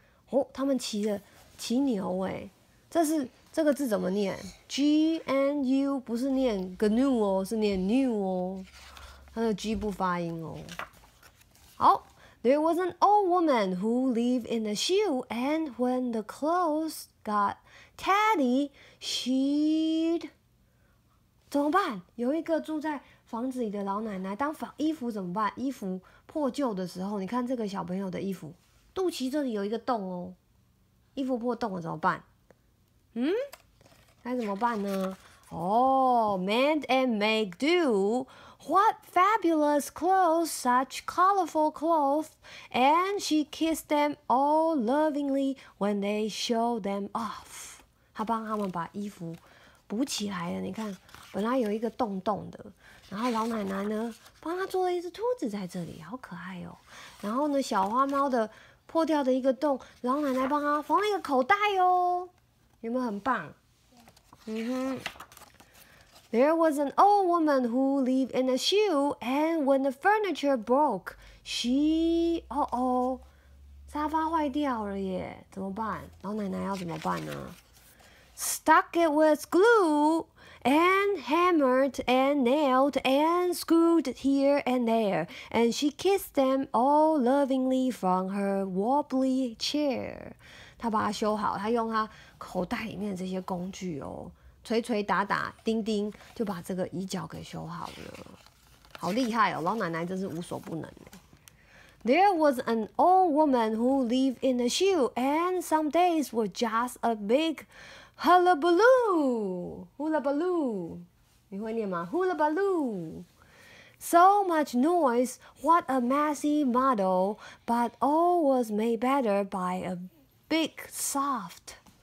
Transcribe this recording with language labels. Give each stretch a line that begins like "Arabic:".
Chinese: 哦，他们骑着。骑牛哎，这个字怎么念 ？G N U 不是念 GNU 哦，是念 new 哦，它的 G 不发音哦。
English: 好 ，There was an old woman who lived in a shoe, and when the clothes got tatty, she'd
Chinese: 怎么办？有一个住在房子里的老奶奶，当衣服怎么办？衣服破旧的时候，你看这个小朋友的衣服，肚脐这里有一个洞哦。衣服破洞了怎么办？嗯，该怎么办呢？
English: 哦 ，mend and make do. What fabulous clothes! Such colorful clothes! And she kissed them all lovingly when they showed them off.
Chinese: 她帮他们把衣服补起来了。你看，本来有一个洞洞的，然后老奶奶呢，帮她做了一只兔子在这里，好可爱哦。然后呢，小花猫的。破掉的一个洞，老奶奶帮他缝了一个口袋哦，有没有很棒？嗯哼。
English: There was an old woman who lived in a shoe, and when the furniture broke, she
Chinese: 哦哦，沙发坏掉了耶，怎么办？老奶奶要怎么办呢
English: ？Stuck it with glue, and hammered and nailed and screwed here and there, and she kissed them all lovingly from her wobbly chair.
Chinese: 她把它修好，她用她口袋里面的这些工具哦，锤锤打打，钉钉，就把这个椅脚给修好了。好厉害哦，老奶奶真是无所不能。
English: There was an old woman who lived in a shoe, and some days were just a big hullabaloo.
Chinese: Hullabaloo. 你会念吗 ?Hullabaloo.
English: So much noise, what a messy muddle, but all was made better by a big soft.